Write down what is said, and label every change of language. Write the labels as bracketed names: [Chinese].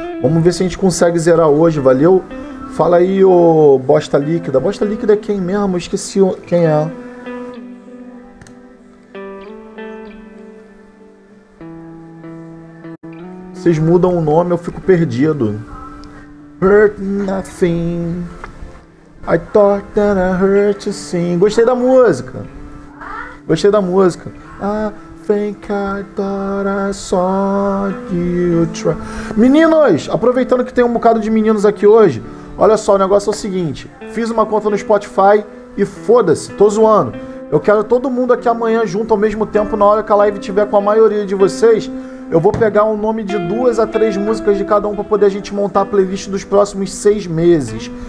[Portuguese] Vamos ver se a gente consegue zerar hoje, valeu? Fala aí, ô Bosta Líquida. Bosta Líquida é quem mesmo? Esqueci quem é. Vocês mudam o nome, eu fico perdido. [English] Hurt nothing. I thought that I hurt you, [Portuguese] sim. Gostei da música. Gostei da música. [English] I think I thought I saw you try. [Portuguese] Meninos, aproveitando que tem um bocado de meninos aqui hoje, olha só, o negócio é o seguinte. Fiz uma conta no Spotify e foda-se, tô zoando. Eu quero todo mundo aqui amanhã junto ao mesmo tempo, na hora que a live tiver com a maioria de vocês. Eu vou pegar o nome de 2 a 3 músicas de cada um pra poder a gente montar a playlist dos próximos 6 meses.